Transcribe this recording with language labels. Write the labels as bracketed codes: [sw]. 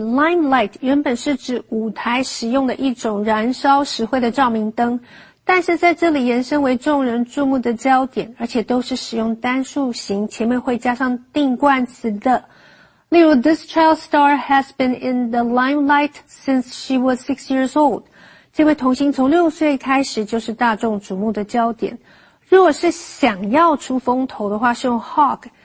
[zh] limelight 原本是指舞台使用的一种燃烧石灰的照明灯，但是在这里延伸为众人注目的焦点，而且都是使用单数型，前面会加上定冠词的。例如 [en] ，This child star has been in the limelight since she was 6 years old。 [zh] 这位童星从6岁开始就是大众瞩目的焦点。如果是想要出风头的话，是用 hog。